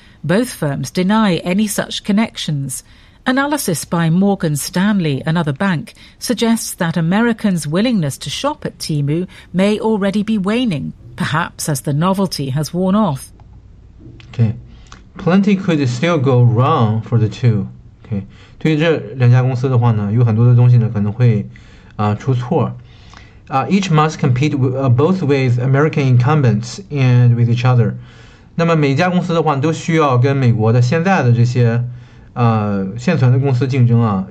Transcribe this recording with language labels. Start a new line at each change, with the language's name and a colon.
English: Both firms deny any such connections. Analysis by Morgan Stanley, another bank, suggests that Americans' willingness to shop at Temu may already be waning, perhaps as the novelty has worn off. Okay. Plenty could still go wrong for the two. Okay.
Chinese: 对于这两家公司的话呢，有很多的东西呢可能会出错。
English: Each must compete both with American incumbents and with each other.
Chinese: 那么每一家公司的话都需要跟美国的现在的这些现存的公司竞争啊。